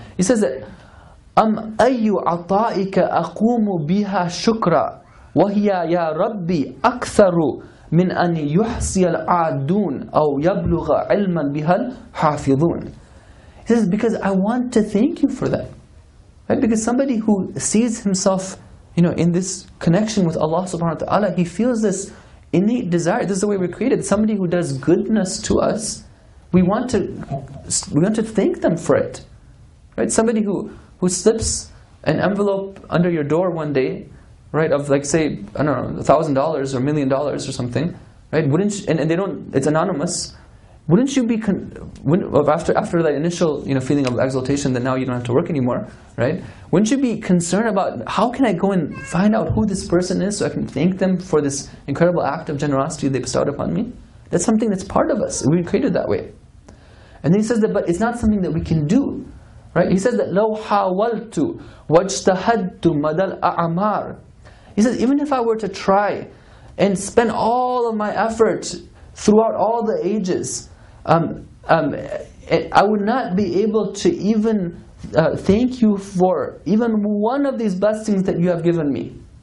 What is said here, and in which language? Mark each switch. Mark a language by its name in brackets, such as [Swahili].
[English] He says that, [Arabic] أَمْ أَيُّ عَطَائِكَ أَقُومُ بِهَا شُكْرًا وَهِيَا يَا رَبِّي أَكْثَرُ مِنْ أَنْ يُحْسِيَ الْعَادُونَ أَوْ يَبْلُغَ عِلْمًا بِهَا الْحَافِظُونَ. [English] He says, because I want to thank you for that. Right? Because somebody who sees himself, you know, in this connection with Allah subhanahu wa ta'ala, he feels this innate desire. This is the way we're created. Somebody who does goodness to us, we want to thank them for it. Right? Somebody who slips an envelope under your door one day, right, of like, say, I don't know, $1,000 or $1 million or something, Right? Wouldn't you, and they don't. It's anonymous. Wouldn't you be after that initial feeling of exaltation that now you don't have to work anymore, right? Wouldn't you be concerned about how can I go and find out who this person is so I can thank them for this incredible act of generosity they bestowed upon me? That's something that's part of us. We were created that way. And then he says that, but it's not something that we can do, right? He says that [Arabic] لو حاولت واجتهدت مدى الأعمار. [English] He says even if I were to try and spend all of my effort throughout all the ages, I would not be able to even thank you for even one of these blessings that you have given me.